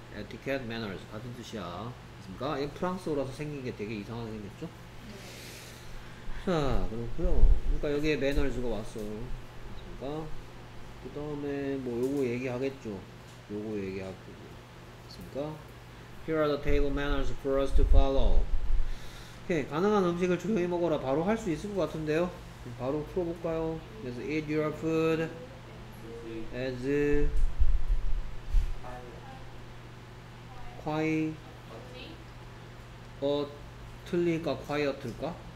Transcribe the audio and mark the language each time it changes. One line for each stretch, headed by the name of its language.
Korean: etiquette, manners 같은 뜻이야. 됐습니까? 이게 프랑스어라서 생긴 게 되게 이상하게 생겼죠? 자 그렇구요. 그러니까 여기에 매너즈가 왔어. 됐습니까? 그 다음에 뭐 요거 얘기하겠죠. 요거 얘기하고 됐습니까?
English: Here are the table manners for us to follow.
Korean: 오케이 가능한 음식을 조용히 먹어라 바로 할 수 있을 것 같은데요. 바로 풀어볼까요? 그래서
English: eat your food as quiet.
Korean: 틀릴까 quiet일까?